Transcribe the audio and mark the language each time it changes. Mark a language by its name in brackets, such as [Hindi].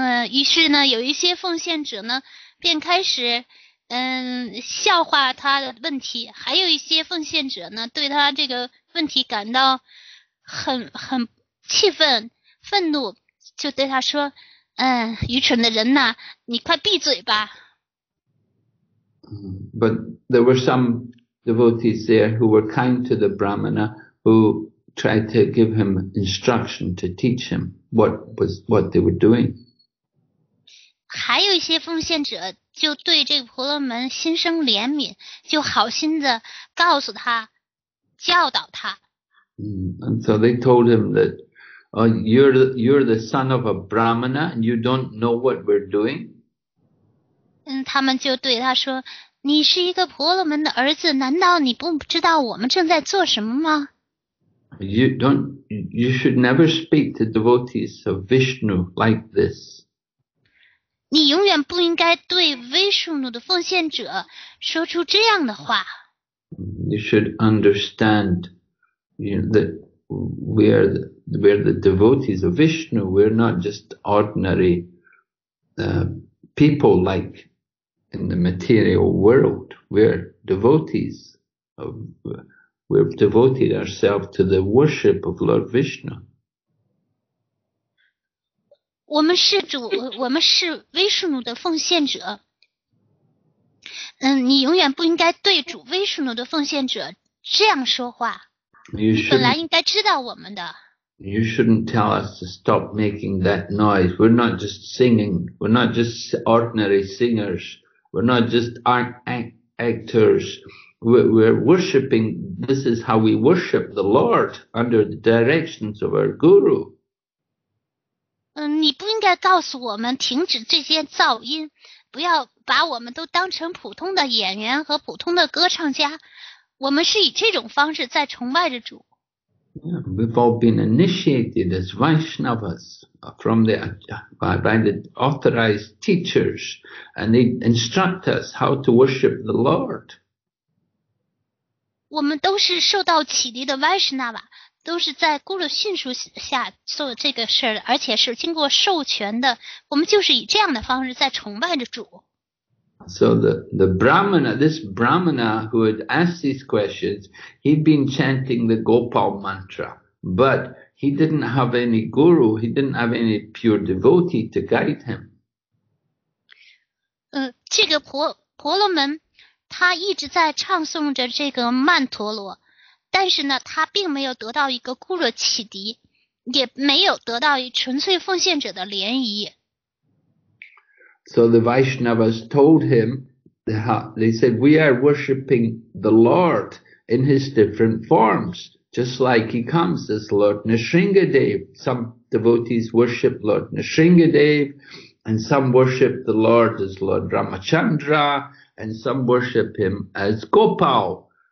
[Chinese] 于是呢，有一些奉献者呢，便开始笑话他的问题，还有一些奉献者呢，对他这个问题感到很气愤、愤怒，就对他说：“愚蠢的人呐，你快闭嘴吧。” [English] But there were some devotees there who were kind to the Brahmana, who tried to give him instruction to teach him what they were doing. [Chinese] 还有一些奉献者就对这个婆罗门心生怜悯，就好心的告诉他，教导他。 [English] And so they told him that, you're the son of a Brahmana, and you don't know what we're doing. [Chinese] 他们就对他说，你是一个婆罗门的儿子，难道你不知道我们正在做什么吗？ [English] You should never speak to devotees of Vishnu like this. [Chinese] 你永远不应该对威士努的奉献者说出这样的话。 [English] You should understand, you know, that we're the devotees of Vishnu. We're not just ordinary people like in the material world. We're devotees. We've devoted ourselves to the worship of Lord Vishnu. [Chinese] 我们是威士努的奉献者。你永远不应该对主威士努的奉献者这样说话。你本来应该知道我们的。 [English] You shouldn't tell us to stop making that noise. We're not just singing. We're not just ordinary singers. We're not just actors. We're worshipping. This is how we worship the Lord under the directions of our guru. [Chinese] 你不应该告诉我们停止这些噪音，不要把我们都当成普通的演员和普通的歌唱家，我们是以这种方式在崇拜着主。 [English] Yeah, we've all been initiated as Vaishnavas from the, by the authorized teachers, and they instruct us how to worship the Lord. [Chinese] 我们都是受到启迪的 Vaishnava, 都是在咕噜迅速下做这个事儿的，而且是经过授权的。我们就是以这样的方式在崇拜着主。 [English] So the Brahmana, this Brahmana who had asked these questions, he'd been chanting the Gopal mantra, but he didn't have any guru, he didn't have any pure devotee to guide him. [Chinese] 这个婆罗门他一直在唱诵着这个曼陀罗，但是呢，他并没有得到一个咕噜启迪，也没有得到一纯粹奉献者的联谊。 [English] So the Vaishnavas told him, they said, we are worshipping the Lord in his different forms, just like he comes as Lord Nrisingadev. Some devotees worship Lord Nrisingadev, and some worship the Lord as Lord Ramachandra, and some worship him as Gopal.